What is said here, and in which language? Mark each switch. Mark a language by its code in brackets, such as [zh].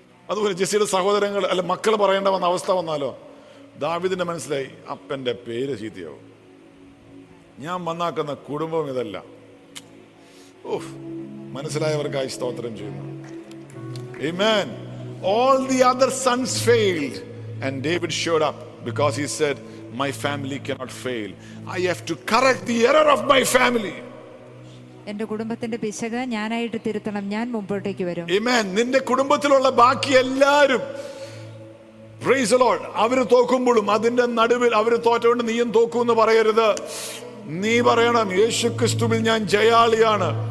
[ml] അതുപോലെ ജെസ്സിയുടെ സഹോദരങ്ങൾ അല്ലെ മക്കൾ പറയേണ്ട വന്ന അവസ്ഥ വന്നാലോ ദാവീദിന്റെ മനസ്സിലായി, അപ്പന്റെ പേര് ചീത്തയാവും. ഞാൻ വന്നാക്കുന്ന കുടുംബം ഇതല്ല. ഓ, മനസ്സിലായവർക്കായി സ്തോത്രം ചെയ്യുന്നു. [en] Amen. All the other sons failed and David showed up because he said, my family cannot fail. I have to correct the error of my family. [ml] എന്റെ കുടുംബത്തിന്റെ പിശക് ഞാനായിട്ട് തിരുത്തണം, ഞാൻ മുമ്പോട്ടേക്ക് വരും. [en] Amen. [ml] നിന്റെ കുടുംബത്തിലുള്ള ബാക്കി എല്ലാവരും, [en] praise the Lord, [ml] അവര് തോക്കുമ്പോഴും അതിന്റെ നടുവിൽ അവര് തോറ്റവണ് നീയും തോക്കും എന്ന് പറയരുത്. നീ പറയണം, യേശുക്രിസ്തുവിൽ ഞാൻ ജയാളിയാണ്.